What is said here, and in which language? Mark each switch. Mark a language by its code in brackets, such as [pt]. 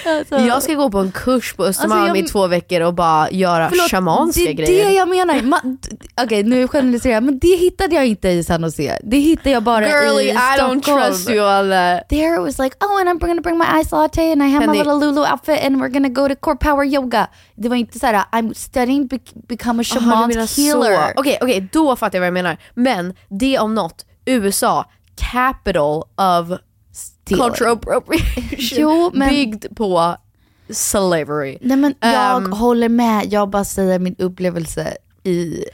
[sv] Jag ska gå på en kurs på Östermalm i 2 veckor och bara göra shamanska grejer. Det är det jag menar. Okej, nu generaliserar jag. Men det hittade jag inte i San Jose. Det hittade jag bara [en] girly, [sv] i Stockholm. [en] I don't trust you all that. There it was like, oh and I'm gonna bring my ice latte and I have my little Lulu outfit and we're gonna go to core power yoga. [sv] Det var inte så här, [en] I'm studying become a shaman's healer. [sv] Okej, då fattar jag vad jag menar. Men det om något, USA, [en] capital of cultural appropriation, [sv] jo, men byggd på slavery. Nej, men jag håller med. Jag bara säger min upplevelse i,